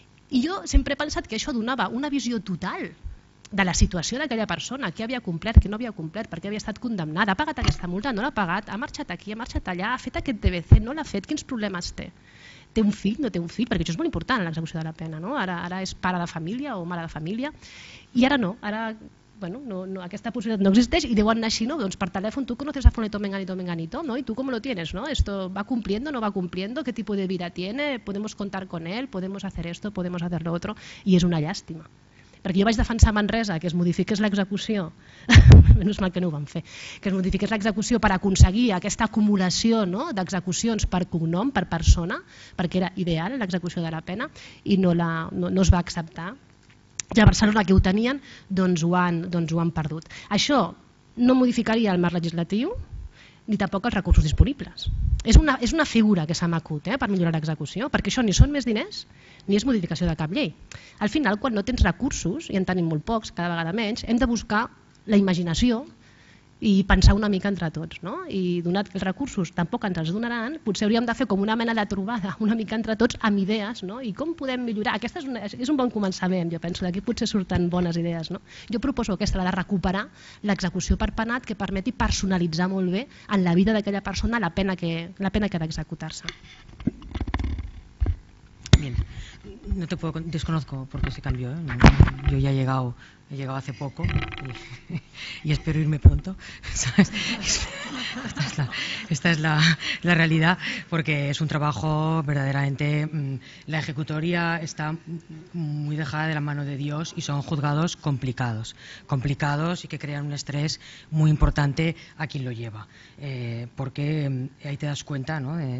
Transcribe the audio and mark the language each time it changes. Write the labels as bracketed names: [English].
[Catalan] I jo sempre he pensat que això donava una visió total de la situació d'aquella persona, què havia complert, què no havia complert, per què havia estat condemnada, ha pagat aquesta multa, no l'ha pagat, ha marxat aquí, ha marxat allà, ha fet aquest TBC, no l'ha fet, quins problemes té? Té un fill, no té un fill? Perquè això és molt important en l'execució de la pena, no? Ara és pare de família o mare de família, i ara no, ara... Bueno, no, aquesta possibilitat no existeix i deuen anar així, no? Doncs per telèfon [Spanish] tu conoces a fulanito, menganito, menganito, no? [Catalan] I tu com [Spanish] lo tienes, no? Esto va cumpliendo, no va cumpliendo, qué tipo de vida tiene, podemos contar con él, podemos hacer esto, podemos hacer lo otro, [Catalan] i és una llàstima. Perquè jo vaig defensar Manresa que es modifiqués l'execució, menys mal que no ho van fer, que es modifiqués l'execució per aconseguir aquesta acumulació, no? D'execucions per cognom, per persona, perquè era ideal l'execució de la pena i no es va acceptar. I a Barcelona, que ho tenien, doncs ho han perdut. Això no modificaria el marc legislatiu ni tampoc els recursos disponibles. És una figura que se m'acut per millorar l'execució, perquè això ni són més diners ni és modificació de cap llei. Al final, quan no tens recursos, i en tenim molt pocs, cada vegada menys, hem de buscar la imaginació i pensar una mica entre tots, no? I donat que els recursos tampoc ens els donaran, potser hauríem de fer com una mena de trobada una mica entre tots amb idees, no? I com podem millorar? Aquest és un bon començament, jo penso, d'aquí potser surten bones idees, no? Jo proposo aquesta, la de recuperar l'execució per penat que permeti personalitzar molt bé en la vida d'aquella persona la pena que ha d'executar-se. [Spanish] Bien, no te puedo, desconozco por qué se cambió, ¿eh? Yo ya he llegado hace poco y espero irme pronto, ¿sabes? Esta es la realidad, porque es un trabajo verdaderamente, la ejecutoria está muy dejada de la mano de Dios y son juzgados complicados, complicados y que crean un estrés muy importante a quien lo lleva, porque ahí te das cuenta, ¿no?